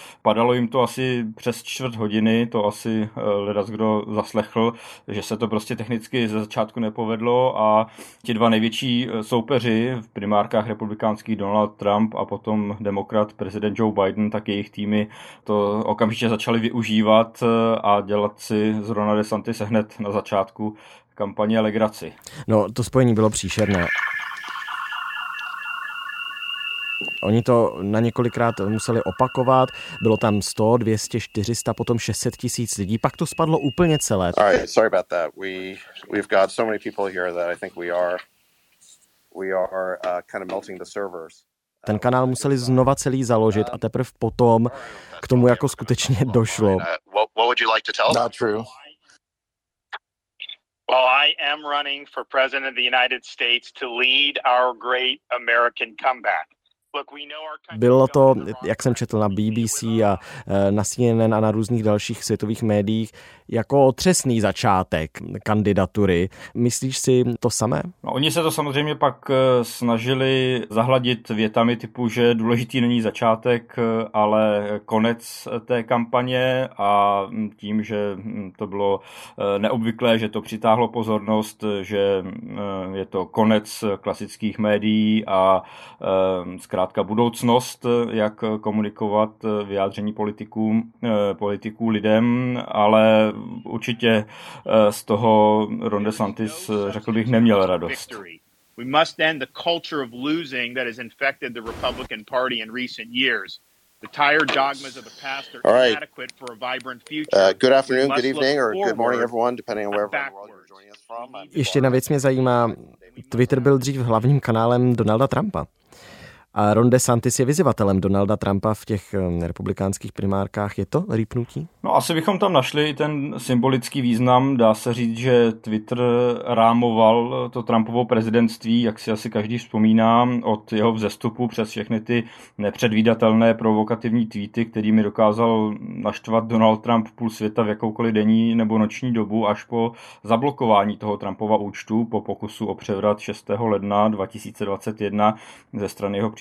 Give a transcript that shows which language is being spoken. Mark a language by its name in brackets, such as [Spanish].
[Czech] padalo jim to asi přes čtvrt hodiny, to asi ledas kdo zaslechl, že se to prostě technicky ze začátku nepovedlo a ti dva největší soupeři v primárkách republikánských Donald Trump a potom demokrat prezident Joe Biden, tak jejich týmy to okamžitě začali využívat a dělat si z Rona DeSantis hned na začátku kampaně legraci. No, to spojení bylo příšerné. Oni to na několikrát museli opakovat, bylo tam 100, 200, 400, potom 600 tisíc lidí, pak to spadlo úplně celé. [English] All right, sorry about that. We've got so many people here that I think we are kind of melting the servers. [Czech] Ten kanál museli znova celý založit a teprve potom k tomu jako skutečně došlo. [English] What would you like to tell? Not true. Well, I am running for president of the United States to lead our great American comeback. [Czech] Bylo to, jak jsem četl na BBC a na CNN a na různých dalších světových médiích, jako otřesný začátek kandidatury. Myslíš si to samé? No, oni se to samozřejmě pak snažili zahladit větami typu, že důležitý není začátek, ale konec té kampaně a tím, že to bylo neobvyklé, že to přitáhlo pozornost, že je to konec klasických médií a zkrátka krátka budoucnost, jak komunikovat vyjádření politiků lidem, ale určitě z toho Ron DeSantis, řekl bych, neměl radost. [English] We must end the culture of losing that has infected the Republican Party in recent years. The tired dogmas of the past are inadequate for a vibrant future. Good afternoon, good evening, or good morning, everyone, depending on wherever in the world you're joining us from. [Czech] Ještě jedna věc mě zajímá. Twitter byl dřív hlavním kanálem Donalda Trumpa. A Ron DeSantis je vyzývatelem Donalda Trumpa v těch republikánských primárkách. Je to rýpnutí? No, asi bychom tam našli i ten symbolický význam. Dá se říct, že Twitter rámoval to Trumpovo prezidentství, jak si asi každý vzpomíná, od jeho vzestupu přes všechny ty nepředvídatelné provokativní tweety, kterými dokázal naštvat Donald Trump půl světa v jakoukoliv denní nebo noční dobu, až po zablokování toho Trumpova účtu po pokusu o převrat 6. ledna 2021 ze strany jeho